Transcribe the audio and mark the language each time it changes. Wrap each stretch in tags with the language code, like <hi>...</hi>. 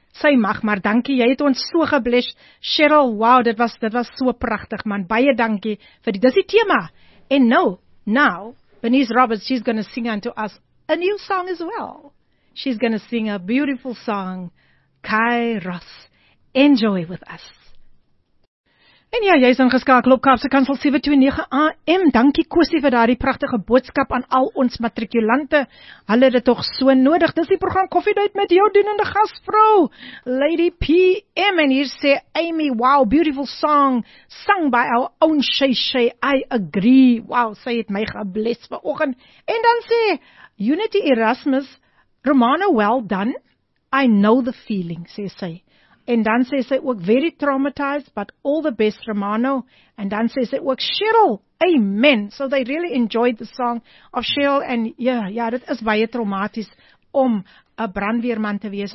<af>Sy mag maar, dankie, jy het ons so gebless. Cheryl, wow, dit was so prachtig, man. Baie dankie vir die, dis die thema.</af> <en>And now, Bernice Roberts, she's going to sing unto us a new song as well. She's going to sing a beautiful song, Kairos. Enjoy with us.</en> <af>En ja, jy is ingeskakel op Kaapse Kansel 729 AM. Dankie Kosie vir daardie pragtige boodskap aan al ons matrikulante. Hulle het dit tog so nodig. Dis die program Koffiedייט met jou dienende gasvrou, Lady PM. En hier sê</af> <en>Amy, wow, beautiful song, sung by our own Shay Shay. I agree.</en> <af>Wow, sy het my gebless vanoggend. En dan sê Unity Erasmus, Romana,</af> <en>well done. I know the feeling,</en> <af>sê sy. En dan sê sy ook,</af> <en>very traumatized, but all the best, Romano.</en> <af>En dan sê sy ook, Cheryl, amen.</af> <en>So they really enjoyed the song of Cheryl.</en> <af>En ja, dit is baie traumatisch om 'n brandweerman te wees.</af>